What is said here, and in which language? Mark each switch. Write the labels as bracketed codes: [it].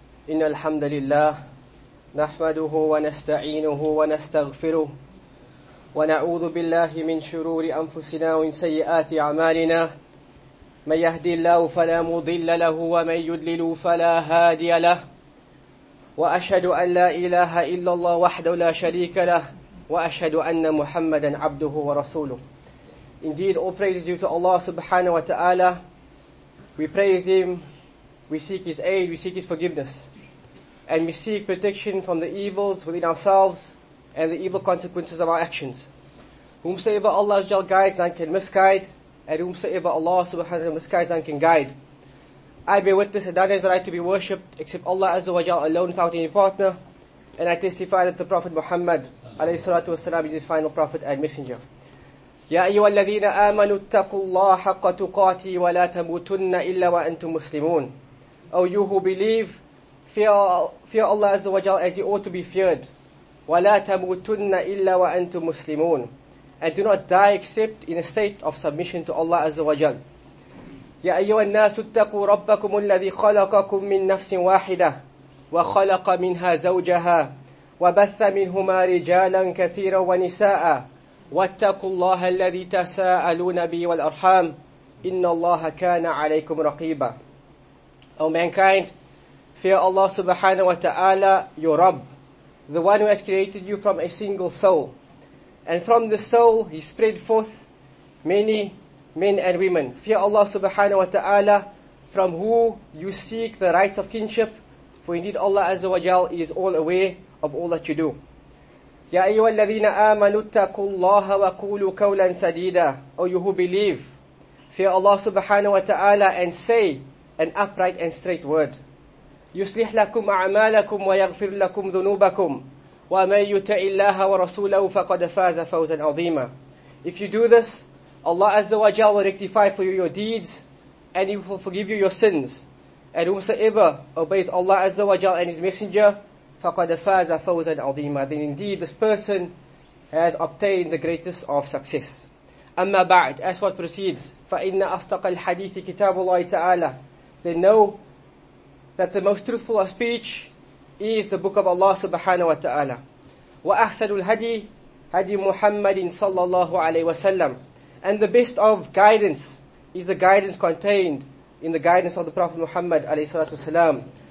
[ar] إن الحمد لله نحمده ونستعينه ونستغفره ونعوذ بالله من شرور أنفسنا ومن سيئات أعمالنا من يهدي الله فلا مضل له ومن يضلل فلا هادي له وأشهد أن لا إله إلا الله وحده لا شريك له وأشهد أن محمدا عبده ورسوله. [en] Indeed, all praise is due to Allah subhanahu wa ta'ala. We praise Him, we seek His aid, we seek His forgiveness, and we seek protection from the evils within ourselves and the evil consequences of our actions. Whomsoever Allah guides, none can misguide, and whomsoever Allah subhanahu wa ta'ala misguides, none can guide. I bear witness that none is right to be worshipped except Allah azza wa jal alone without any partner, and I testify that the Prophet Muhammad alayhi salatu wasalam is his final prophet and messenger. [ar] يا أيها الذين آمنوا اتقوا الله حق تقاته ولا تموتن إلا وأنتم مسلمون. [en] O you who believe, fear Allah Azza wa Jal as you ought to be feared. [ar] ولا تموتن إلا وأنتم مسلمون. [en] And do not die except in a state of submission to Allah Azza wa Jal. [ar] يا أيها الناس اتقوا ربكم الذي خلقكم من نفس واحدة وخلق منها زوجها وبث منهما رجالا كثيرا ونساء. واتقوا الله الذي تساءلون به والأرحام إن الله كان عليكم رقيبا. [en] O mankind, fear Allah subhanahu wa ta'ala, your Rabb, the one who has created you from a single soul. And from the soul He spread forth many men and women. Fear Allah subhanahu wa ta'ala, from who you seek the rights of kinship, for indeed Allah azza wa jal is all aware of all that you do. [ar] يا أيها الذين آمنوا اتقوا الله وقولوا قولا سديدا. [en] O you who believe, fear Allah subhanahu wa ta'ala and say an upright and straight word. [ar] يصلح لكم أعمالكم ويغفر لكم ذنوبكم ومن يطع الله ورسوله فقد فاز فوزا عظيما. [en] If you do this, Allah Azza wa Jal will rectify for you your deeds and He will forgive you your sins. And whosoever obeys Allah Azza wa Jal and His Messenger, [ar] فَقَدْ فَازَ فَوْزًا عَظِيمًا. [en] Then indeed this person has obtained the greatest of success. [ar] أَمَّا بَعْدْ. [en] As what proceeds, [ar] فَإِنَّ أَصْدَقَ الْحَدِيثِ كِتَابُ اللَّهِ تَعَالَى. [en] Then know that the most truthful of speech is the book of Allah subhanahu wa ta'ala. [ar] وَأَحْسَنُ الْهَدِي هَدِي مُحَمَّدٍ صَلَّى اللَّهُ عَلَيْهِ وَسَلَّمْ. [en] And the best of guidance is the guidance contained in the guidance of the Prophet Muhammad alayhi salatu wasalam.